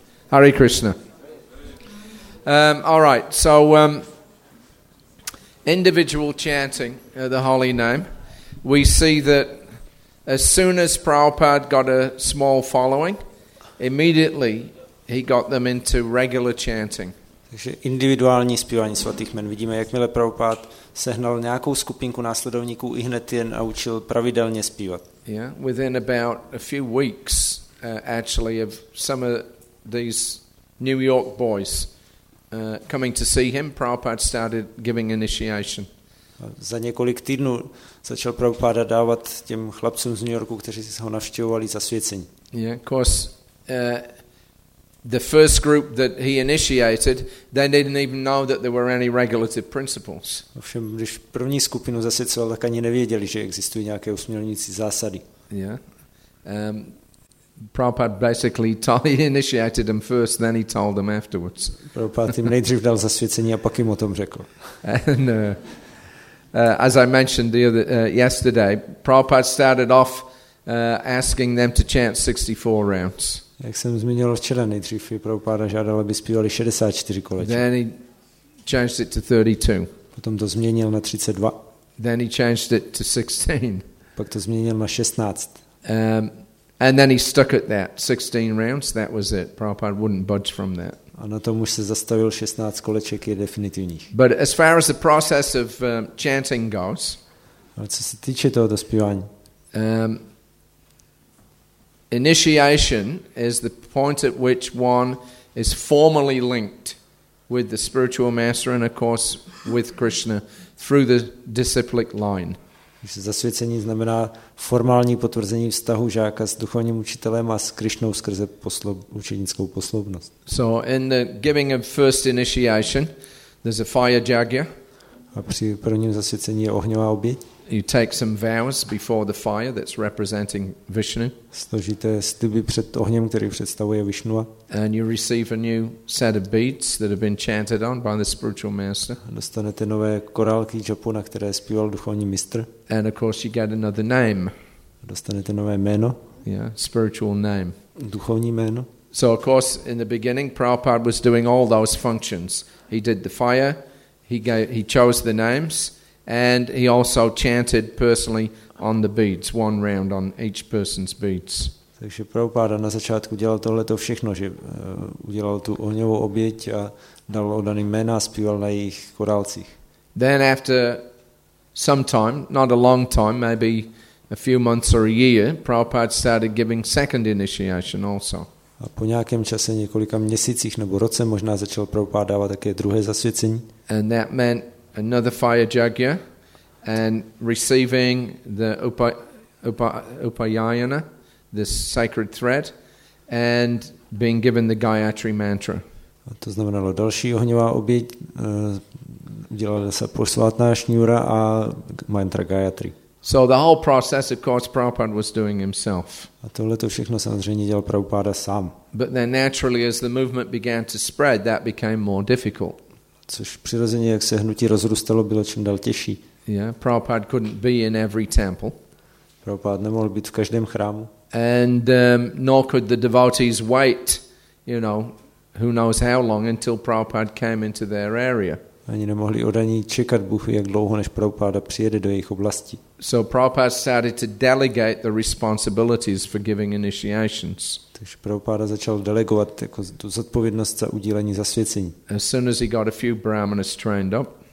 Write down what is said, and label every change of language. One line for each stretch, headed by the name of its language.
English: Hare Krishna. All right, so individual chanting the holy name, we see that as soon as Prabhupada got a small following, immediately he got them into regular chanting.
Czech: Takže individuální zpívání svatých jmen. Vidíme, jakmile Prabhupada sehnal nějakou skupinku následovníků, i hned jen naučil pravidelně zpívat.
English: Yeah, within about a few weeks, actually, of some of these New York boys coming to see him, Prabhupada started giving initiation.
Czech: Za několik týdnů začal Prabhupada dávat těm chlapcům z New Yorku, kteří se ho navštěvovali, zasvěcení.
English: Yeah, of course, the first group that he initiated, they didn't even know that there were any regulative principles.
Czech: Ovšem, když první skupinu zasvěcoval, tak ani nevěděli, že existují nějaké usměrňující zásady.
English: Yeah. Prabhupada basically initiated them first, then he told them afterwards.
Czech: Prabhupada jim nejdřív dal zasvěcení a pak jim o tom řekl.
English: And as I mentioned yesterday, Prabhupada started off asking them to chant 64 rounds.
Czech: Jak jsem zmínil včera, nejdřív Prabhupada žádal, aby zpívali 64 koleček.
English: Then he changed it to 32.
Czech: Potom to změnil na 32.
English: Then he changed it to 16.
Czech: Pak to změnil na 16.
English: And then he stuck at that 16 rounds. That was it. Prabhupada wouldn't budge from that.
Czech: A na tom už se zastavil 16 koleček je definitivních.
English: But as far as the process of chanting goes,
Czech: ale co se týče toho dospívání,
English: initiation is the point at which one is formally linked with the spiritual master and, of course, with Krishna through the disciplic line.
Czech: Zasvěcení znamená formální potvrzení vztahu žáka s duchovním učitelem a s Krišnou skrze učednickou posloubnost.
English: So in the giving of first initiation, there's a fire jagya.
Czech: A při prvním zasvěcení je ohňová oběť.
English: You take some vows before the fire that's representing Vishnu.
Czech: Složíte sliby před ohněm, který představuje Vishnu.
English: And you receive a new set of beads that have been chanted on by the spiritual master.
Czech: Dostanete nové korálky japu, na které zpíval duchovní mistr.
English: And of course you get another name.
Czech: Dostanete nové jméno.
English: Yeah, spiritual name.
Czech: Duchovní jméno.
English: So of course in the beginning Prabhupada was doing all those functions. He did the fire, he chose the names. And he also chanted personally on the beads, one round on each person's beads.
Czech: Takže Prabhupada na začátku dělal tohleto všechno, že udělal tu ohňovou oběť a dal odaným jména a zpíval na jejich korálcích.
English: Then after some time, not a long time, maybe a few months or a year, Prabhupada started giving second initiation also.
Czech: A po nějakém čase, několika měsících nebo roce, možná začal Prabhupada dávat také druhé zasvěcení.
English: And that meant another fire jagya and receiving the upayana, this sacred thread, and being given the Gayatri mantra.
Czech: To znamenalo další ohňová oběť, udělala se posvátná šňůra a mantra Gayatri.
English: So the whole process, of course, Prabhupada was doing himself.
Czech: A tohle to všechno samozřejmě dělal Prabhupada sám.
English: But then naturally, as the movement began to spread, that became more difficult.
Czech: Což přirozeně, jak se hnutí rozrůstalo, bylo čím dál těžší.
English: Yeah, Prabhupada couldn't be in every temple.
Czech: Prabhupada nemohl být v každém chrámu.
English: And nor could the devotees wait, you know, who knows how long until Prabhupada came into their area.
Czech: Ani nemohli odaní čekat Bůh, jak dlouho, než Prabhupada přijede do jejich oblasti.
English: So Prabhupada started to delegate the responsibilities for giving initiations.
Czech: Takže Prabhupada začal delegovat jako tu zodpovědnost za udílení zasvěcení.
English: As soon as he got a few brahmanas trained up.